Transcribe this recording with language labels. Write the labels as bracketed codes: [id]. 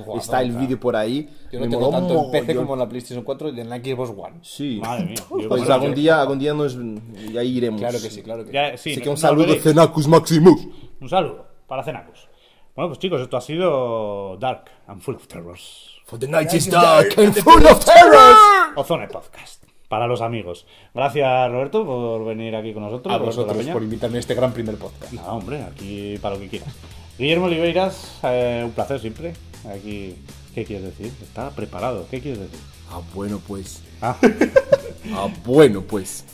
[es] Está el vídeo por ahí. Yo no tengo tanto en PC como en la PlayStation 4 y en la Xbox One. Sí. Madre mía. Pues algún día nos. Y ahí iremos. Claro que sí. Así que un saludo a Zenacus Maximus. Un saludo para Zenacus. Bueno, pues chicos, esto ha sido Dark and Full of Terrors. [en] For the night is dark and full of terrors. [es] Ozone Podcast. Para los amigos. Gracias, Roberto, por venir aquí con nosotros. A vosotros por invitarme a este gran primer podcast. No, hombre, aquí para lo que quieras. Guillermo Oliveiras, un placer siempre. Aquí, ¿qué quieres decir? Está preparado, ¿qué quieres decir? Ah, bueno, pues.